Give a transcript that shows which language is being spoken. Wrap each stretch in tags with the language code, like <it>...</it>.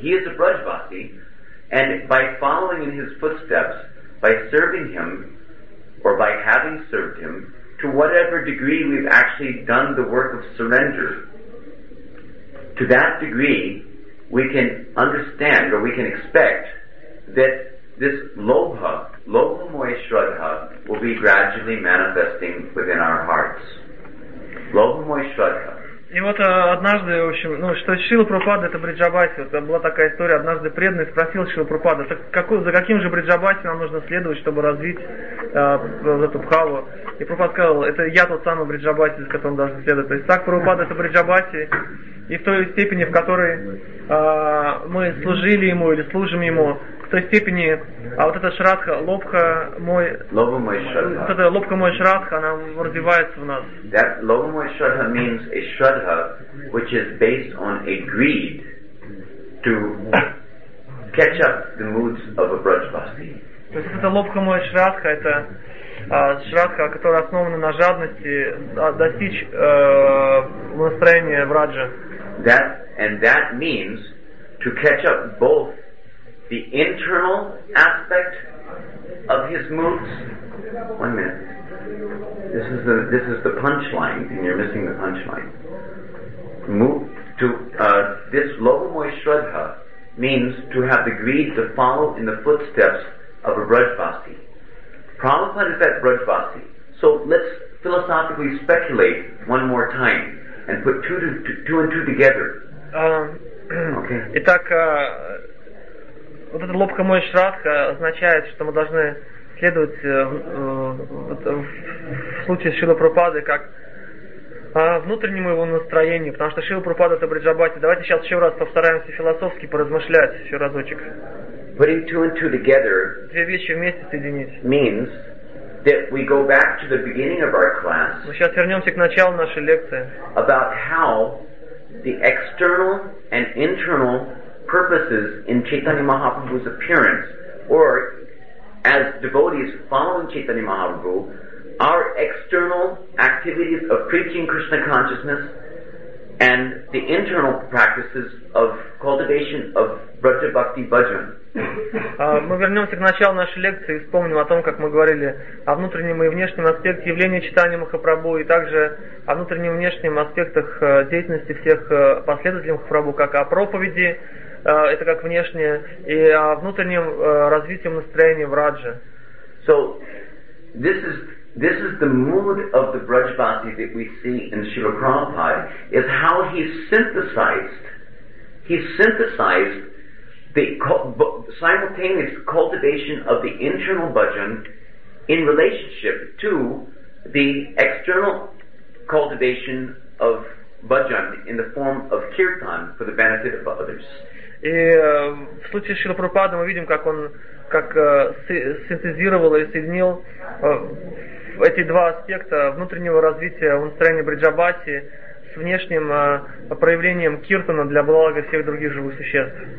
<en>He is a Brajbasi, and by following in his footsteps, by serving him, or by having served him, to whatever degree we've actually done the work of surrender, to that degree we can understand, or we can expect, that this lobha, lobhamoya shraddha, will be gradually manifesting within our hearts. Lobhamoya shraddha.</en> <ru>И вот однажды, в общем, ну, что Шрила Прабхупада это бриджабаси, вот, была такая история, однажды преданный спросил Шрила Прабхупада, так за каким же бриджабаси нам нужно следовать, чтобы развить эту бхаву? И Прабхупада сказал, это я тот самый бриджабаси, с которым должен следовать. То есть так Прабхупада это бриджабаси, и в той степени, в которой мы служили ему или служим ему, в той степени, а вот эта шрадха, лобха мой... Лобха мой шрадха. Вот эта лобха мой шрадха, она развивается в нас.</ru> <en>That лобха мой шрадха means a шрадха, which is based on a greed to catch up the moods of a Брадж-Басти.</en> <ru>То есть это лобха мой шрадха, это шрадха, которая основана на жадности достичь настроения Враджа.</ru> <en>That, and that means to catch up both the internal aspect of his moods. One minute. This is the punchline, and you're missing the punchline. Move to this lobhamoya shraddha means to have the greed to follow in the footsteps of a Brajbasi. Prabhupada is that Brajbasi. So let's philosophically speculate one more time and put two and two together. Okay.</en> <ru>Итак. Вот это лобха мой шрадха означает, что мы должны следовать в случае с Шрилой Прабхупадой как внутреннему его настроению, потому что Шрила Прабхупада это бриджабати. Давайте сейчас еще раз постараемся философски поразмышлять еще разочек.</ru> <en>Putting two and two together</en> <ru>две вещи вместе соединить</ru> <en>means that we go back to the beginning of our class.</en> <ru>Мы сейчас вернемся к началу нашей лекции.</ru> <en>About how the external and internal purposes in Chaitanya Mahaprabhu's appearance, or as devotees following Chaitanya Mahaprabhu, our external activities of preaching Krishna consciousness, And the internal practices of cultivation of Braja Bhakti Bhajan.</en> <ru>Мы вернемся к началу нашей лекции и вспомним о том, как мы говорили о внутреннем и внешнем аспекте явления читания Махапрабху и также о внутреннем и внешнем аспектах деятельности всех последователей Махапрабху, как о проповеди, это как внешнее, и о внутреннем развитии настроения в Раджа.</ru> <en>So, this is the mood of the Braj Bhakti that we see in Srila Prabhupada, is how he synthesized the simultaneous cultivation of the internal bhajan in relationship to the external cultivation of bhajan in the form of kirtan for the benefit of others.</en> <ru>И в случае Шрила Прабхупады мы видим, как он как синтезировал и соединил эти два аспекта внутреннего развития в настроении Бриджабати с внешним проявлением киртана для блага всех других живых существ.</ru>